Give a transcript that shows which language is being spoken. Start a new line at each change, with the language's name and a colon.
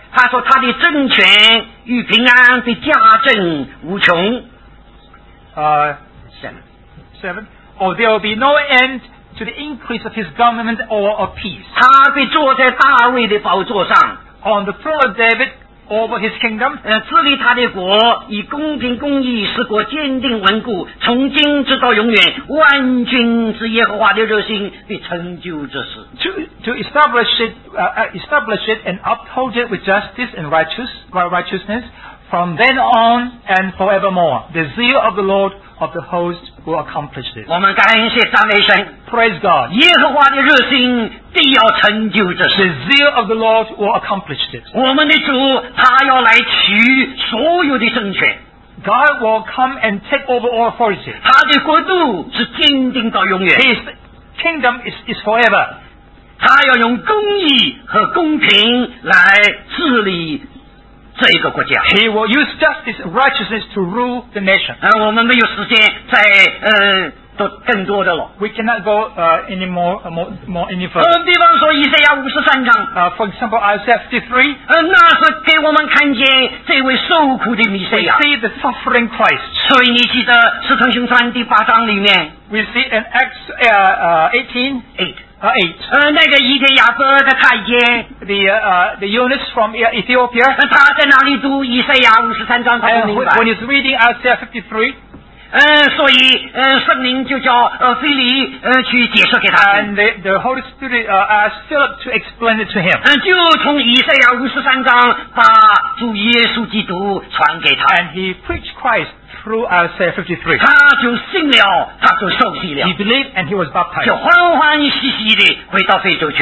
Chinese: 他说他的政权与平安的加政无穷
English: 7 or there will be no endTo the increase of his government or of peace.
Chinese: 他被坐在大卫的宝座上
English: On the throne of David over his kingdom.
Chinese: 治理他的国以公平公义使国坚定稳固从今直到永远万军之耶和华的热心必成就这事
English: To establish it, establish it and uphold it with justice and righteousness from then on and forevermore. The zeal of the Lord of the host will accomplish this.
Chinese: 我们感谢赞美神
English: Praise God.
Chinese: 耶和华的热心必要成就这事
English: The zeal of the Lord will accomplish this.
Chinese: 我们的主他要来取所有的政权
English: God will come and take over all authority.
Chinese: 他的国度是坚定到永远
English: His kingdom is forever.
Chinese: 他要用公义和公平来治理这一个国家
English: He will use justice and righteousness to rule the nation
Chinese: 我们没有时间再多更多的了
English: We cannot go anymore any further
Chinese: 比方说以赛亚53章
English: For example Isaiah 53
Chinese: 那是给我们看见这位受苦的弥赛亚
English: We see the suffering Christ
Chinese: 所以你记得使徒行传第八章里面
English: We see in Acts
Chinese: 那个以天亚伯的太监
English: the eunuchs from Ethiopia
Chinese: 他在哪里读以赛亚五十三章他不明白
English: when he's reading Isaiah 53
Chinese: 所以圣灵就叫腓力去解释给他
English: and the Holy Spirit asked Philip to explain it to him
Chinese: 就从以赛亚五十三章把主耶稣基督传给他
English: and he preached Christ through Isaiah 53
Chinese: 他就信了他就受洗了
English: he believed and he was baptized
Chinese: 就欢欢喜喜地回到非洲去